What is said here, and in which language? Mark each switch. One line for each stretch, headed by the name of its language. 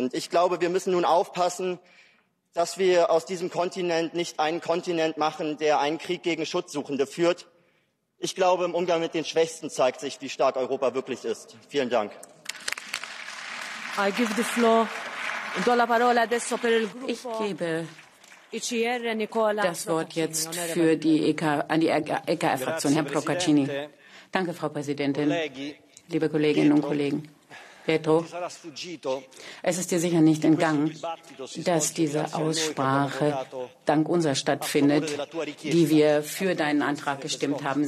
German: Und ich glaube, wir müssen nun aufpassen, dass wir aus diesem Kontinent nicht einen Kontinent machen, der einen Krieg gegen Schutzsuchende führt. Ich glaube, im Umgang mit den Schwächsten zeigt sich, wie stark Europa wirklich ist. Vielen Dank.
English: I give the floor and
Italian: do la parola adesso per il gruppo.
German: Ich gebe das Wort jetzt für die EKR-Fraktion, Herr Procaccini. Danke, Frau Präsidentin, liebe Kolleginnen und Kollegen. Petro, es ist dir sicher nicht entgangen, dass diese Aussprache dank unserer stattfindet, die wir für deinen Antrag gestimmt haben.